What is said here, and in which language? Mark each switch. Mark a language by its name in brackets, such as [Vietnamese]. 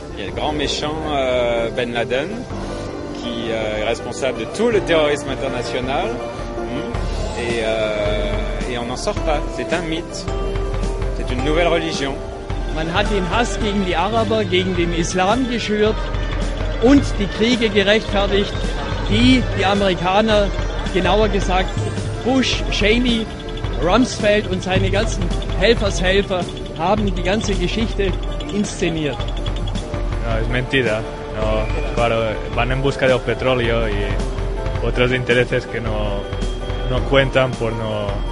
[French] Il y a le grand méchant Ben Laden qui est responsable de tout le terrorisme international et on n'en sort pas, c'est un mythe, c'est une nouvelle religion. [German] Man hat den Hass gegen die Araber, gegen den Islam geschürt und die Kriege gerechtfertigt, die Amerikaner, genauer gesagt Bush, Cheney, Rumsfeld und seine ganzen Helfershelfer haben die ganze Geschichte inszeniert. [Spanish] No, es mentira, no, claro, van en busca de petróleo y otros intereses que no cuentan por no...